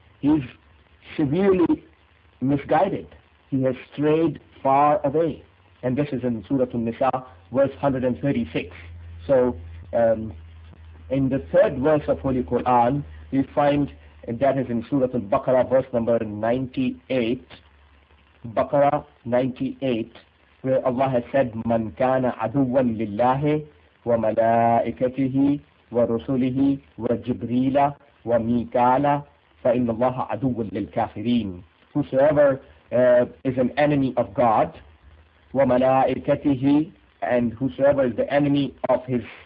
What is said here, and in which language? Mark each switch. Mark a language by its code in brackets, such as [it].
[en] He's severely misguided. He has strayed far away. And this is in Surah An-Nisa, verse 136. So, in the third verse of Holy Quran, we find that is in Surah Al-Baqarah, verse number 98. Baqarah 98, where Allah has said, [ar] مَنْ كَانَ عَدُوًا لِلَّهِ وَمَلَائِكَتِهِ ورسله وجبريل وميكال فإن الله عدو للكافرين. [en] Whosoever is an enemy of God, [ar] وَمَلَائِكَتِهِ, [en] and whosoever is the enemy of his